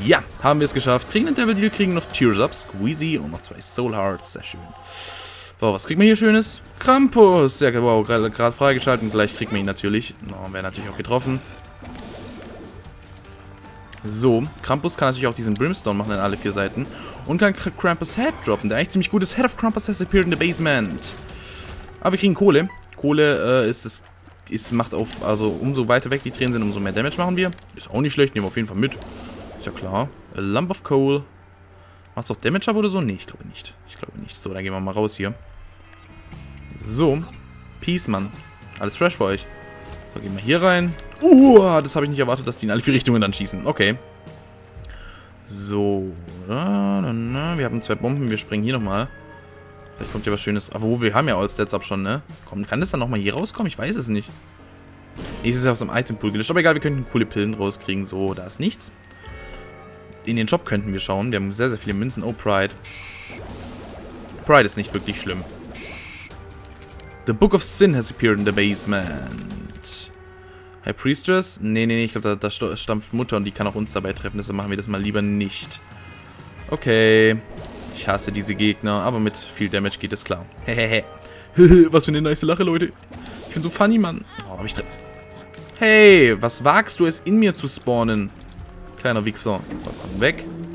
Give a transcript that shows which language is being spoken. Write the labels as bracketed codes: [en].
[de] Ja, haben wir es geschafft. Kriegen den Devil Deal, kriegen noch Tears Up, Squeezy und noch zwei Soul Hearts. Sehr schön. Wow, was kriegt man hier Schönes? Krampus. Ja, wow, gerade freigeschalten. Gleich kriegt man ihn natürlich. Oh, wäre natürlich auch getroffen. So, Krampus kann natürlich auch diesen Brimstone machen in alle vier Seiten. Und kann Krampus Head droppen, der eigentlich ziemlich gut ist. [en] Head of Krampus has appeared in the basement. [de] Aber wir kriegen Kohle. Kohle macht umso weiter weg die Tränen sind, umso mehr Damage machen wir. Ist auch nicht schlecht, nehmen wir auf jeden Fall mit. Ist ja klar. A Lump of Coal. Macht's auch Damage ab oder so? Nee, ich glaube nicht. So, dann gehen wir mal raus hier. So. Peace, Mann. Alles fresh bei euch. So, gehen wir hier rein. Das habe ich nicht erwartet, dass die in alle vier Richtungen dann schießen. Okay. So. Wir haben zwei Bomben. Wir springen hier nochmal. Vielleicht kommt hier was Schönes. Aber wir haben ja All Stats Up schon, ne? Komm, kann das dann nochmal hier rauskommen? Ich weiß es nicht. Nee, es ist ja aus dem Itempool gelöscht. Aber egal, wir könnten coole Pillen rauskriegen. So, da ist nichts. In den Shop könnten wir schauen. Wir haben sehr, sehr viele Münzen. Oh, Pride. Pride ist nicht wirklich schlimm. [en] The Book of Sin has appeared in the basement. High Priestess? [de] Nee, ich glaube, da stampft Mutter und die kann auch uns dabei treffen. Deshalb machen wir das mal lieber nicht. Okay. Ich hasse diese Gegner, aber mit viel Damage geht es klar. Hehehe. Was für eine nice Lache, Leute. Ich bin so funny, Mann. Oh, hab ich drin. Hey, was wagst du es in mir zu spawnen? Kleiner Wichser. So, komm weg.